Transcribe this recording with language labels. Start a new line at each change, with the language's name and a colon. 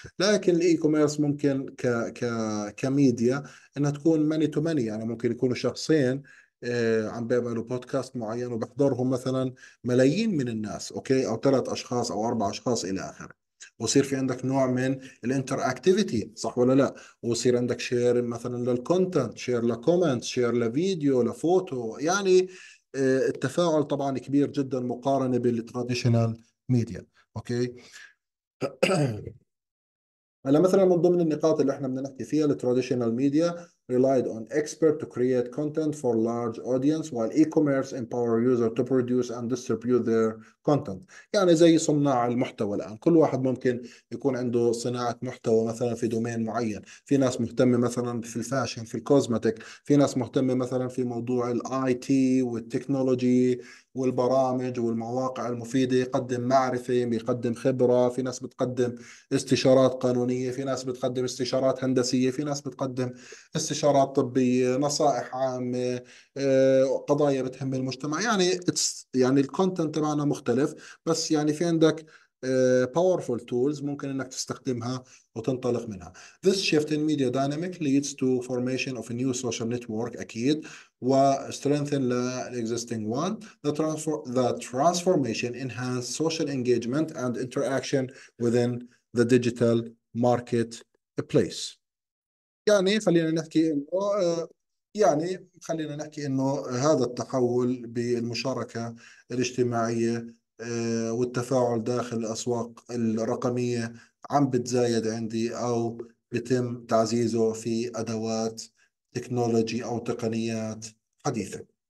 Arabic: لكن الإي كوميرس ممكن ك ك كميديا إنها تكون ماني تو ماني، يعني ممكن يكونوا شخصين عم بيعملوا بودكاست معين وبحضرهم مثلا ملايين من الناس، أوكي، أو 3 أشخاص أو 4 أشخاص إلى آخره، وصير في عندك نوع من الانتر اكتيفيتي، صح ولا لا؟ وصير عندك شير مثلا للكونتنت، شير لكومنت، شير لفيديو لفوتو، يعني التفاعل طبعا كبير جدا مقارنة بالتراديشنال ميديا. اوكي، هلا مثلا من ضمن النقاط اللي احنا بدنا نحكي فيها التراديشنال ميديا
English: relied on experts to create content for large audience while e-commerce empower users to produce and distribute their content.
Arabic: يعني زي صناع المحتوى الآن، كل واحد ممكن يكون عنده صناعة محتوى مثلا في دومين معين، في ناس مهتمة مثلا في الفاشن، في الكوزمتيك، في ناس مهتمة مثلا في موضوع الاي تي والتكنولوجي والبرامج والمواقع المفيدة، يقدم معرفة، يقدم خبرة، في ناس بتقدم استشارات قانونية، في ناس بتقدم استشارات هندسية، في ناس بتقدم استشارات طبية، نصائح عامة، قضايا بتهم المجتمع. يعني يعني الكونتنت تبعنا مختلف، بس يعني في عندك
English: powerful tools
Arabic: ممكن انك تستخدمها وتنطلق منها.
English: This shift in media dynamic leads to formation of a new social network اكيد و strengthen the existing one. The transformation enhance social engagement and interaction within the digital market place.
Arabic: يعني خلينا نحكي انه يعني خلينا نحكي انه هذا التحول بالمشاركة الاجتماعية والتفاعل داخل الأسواق الرقمية عم بتزايد عندي أو بتم تعزيزه في أدوات تكنولوجي أو تقنيات حديثة.